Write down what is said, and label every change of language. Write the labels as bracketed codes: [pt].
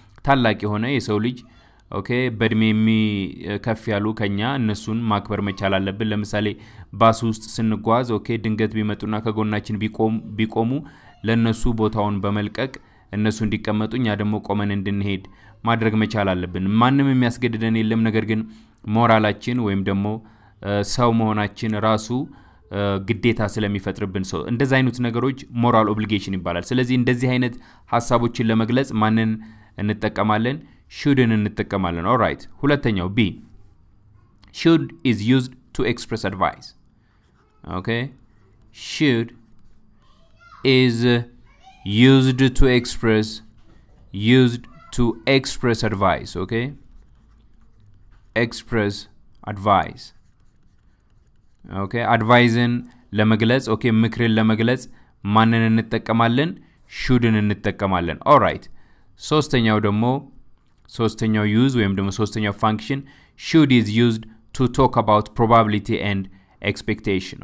[am] ታላቅ የሆነ የሰው ልጅ ኦኬ በድሜ የሚከፍ ያሉ ከኛ እነሱን ማክበር መቻል አለብን። ለምሳሌ ባስ ውስጥ ስንጓዝ ኦኬ ድንገት ቢመጡና ከጎናችን ቢቆሙ ለነሱ ቦታውን በመልቀቅ እነሱ እንዲቀመጡኛ ደግሞ ቆመን እንድንሄድ ማድረግ መቻል አለብን። ማንንም የሚያስገድደን የለም። ነገር ግን ሞራላችን ወይም ደግሞ ሰው መሆናችን ራሱ ግዴታ ስለሚፈጥርብን ሰው እንደዛ አይነት ነገሮች ሞራል ኦብሊጌሽን ይባላል። ስለዚህ እንደዚህ አይነት ሐሳቦችን ለመግለጽ ማንን እንጠቀማለን? [en] Shouldn't [am] እንጠቀማለን. [en] All right. [am] ሁለተኛው [en] B. Should is used to express advice. Okay. Should is used to express advice. Okay. Express advice. Okay. [am] Advising ለመግለጽ okay ምክርን ለመግለጽ ማንን እንጠቀማለን? [en] Shouldn't [am] እንጠቀማለን. [en] All right. [am] ሶስተኛው ደግሞ ሶስተኛው ዩዝ ወይም ደግሞ ሶስተኛው ፋንክሽን [en] should is used to talk about probability and expectation.